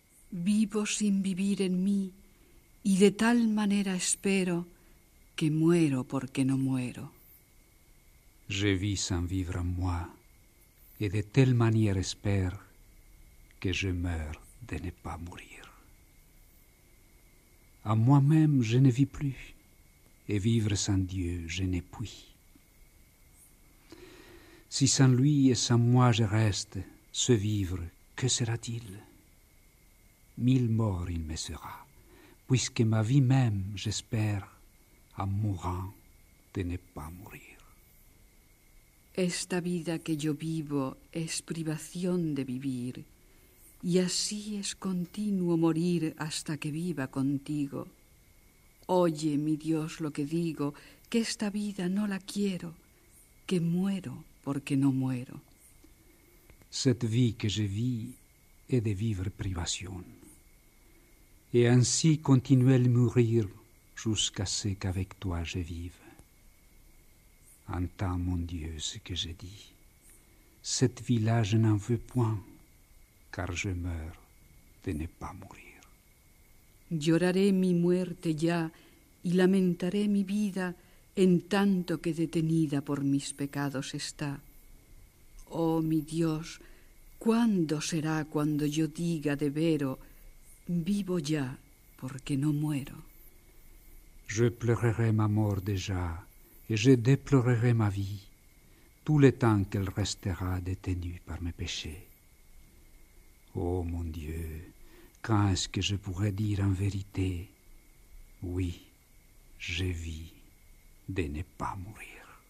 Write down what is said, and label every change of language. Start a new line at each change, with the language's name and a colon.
Spanish: Vivo sin vivir en mí y de tal manera espero que muero porque no muero.
French: Je vis sans vivre en moi et de telle manière espère que je meurs de ne pas mourir. En moi-même je ne vis plus et vivre sans Dieu je ne puis. Si sans lui et sans moi je reste, ce vivre, que sera-t-il? Mille morts il me sera, puisque ma vie même, j'espère, en mourant, de ne pas mourir.
Spanish: Esta vida que yo vivo es privación de vivir, y así es continuo morir hasta que viva contigo. Oye, mi Dios, lo que digo, que esta vida no la quiero, que muero porque no muero.
French: Cette vie que je vis est de vivre privación. Et ainsi continuer de mourir jusqu'à ce qu'avec toi je vive. Entends, mon Dieu, ce que j'ai dit. Cette vie-là, je n'en veux point, car je meurs de ne pas mourir.
Spanish: Lloraré mi muerte ya y lamentaré mi vida en tanto que detenida por mis pecados está. Oh, mi Dios, ¿cuándo será cuando yo diga de vero vivo ya porque no muero?
French: Je pleurerai ma mort déjà et je déplorerai ma vie tout le temps qu'elle restera détenue par mes péchés. Oh mon Dieu, quand est-ce que je pourrai dire en vérité oui, je vis de ne pas mourir?